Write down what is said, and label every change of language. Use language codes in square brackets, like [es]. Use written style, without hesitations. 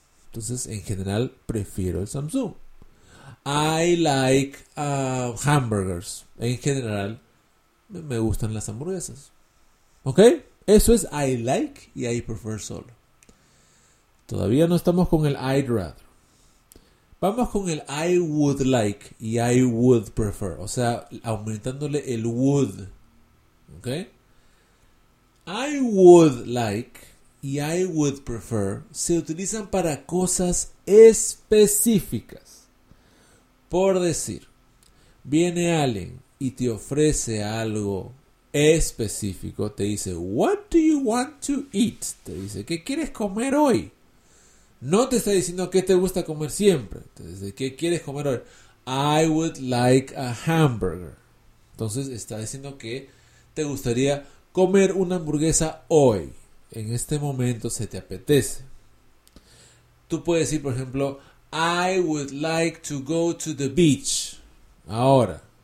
[es] Entonces, en general, prefiero el Samsung. [en] I like hamburgers. [es] En general, me gustan las hamburguesas. ¿Ok? Eso es I like y I prefer solo. Todavía no estamos con el I'd rather. Vamos con el I would like y I would prefer. O sea, aumentándole el would. ¿Ok? I would like y I would prefer se utilizan para cosas específicas. Por decir, viene alguien y te ofrece algo específico. Te dice, [en] what do you want to eat? [es] Te dice, ¿qué quieres comer hoy? No te está diciendo qué te gusta comer siempre. Entonces, ¿qué quieres comer hoy? [en] I would like a hamburger. [es] Entonces, está diciendo que te gustaría comer una hamburguesa hoy. En este momento se te apetece. Tú puedes decir, por ejemplo, [en] I would like to go to the beach. [es] Ahora.